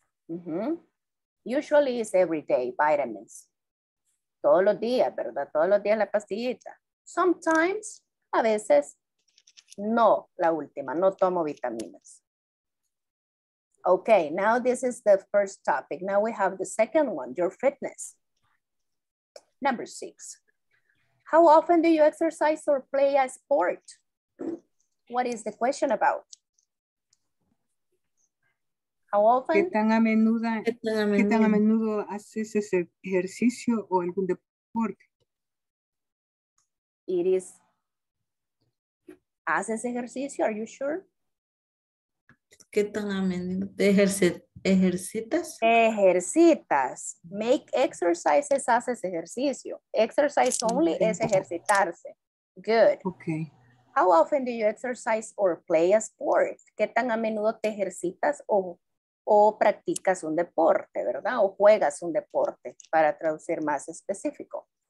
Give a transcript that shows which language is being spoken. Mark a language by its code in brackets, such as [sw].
[en] Mm-hmm. Usually it's every day, vitamins. [es] Todos los días, ¿verdad? Todos los días la pastillita. [en] Sometimes, [es] a veces, no, la última, no tomo vitaminas. [en] Okay, now this is the first topic. Now we have the second one, your fitness. Number six. How often do you exercise or play a sport? What is the question about? How often? [es] ¿Qué tan a menudo, haces ese ejercicio o algún deporte? [en] It is, [es] ¿haces ejercicio? [en] Are you sure? [es] ¿Qué tan a menudo? ¿Ejercitas? Ejercitas. [en] Make exercises, [es] haces ejercicio. [en] Exercise only okay. [es] Es ejercitarse. [en] Good. Okay. How often do you exercise or play a sport? [es] ¿Qué tan a menudo te ejercitas o practicas un deporte, verdad? O juegas un deporte, para traducir más específico.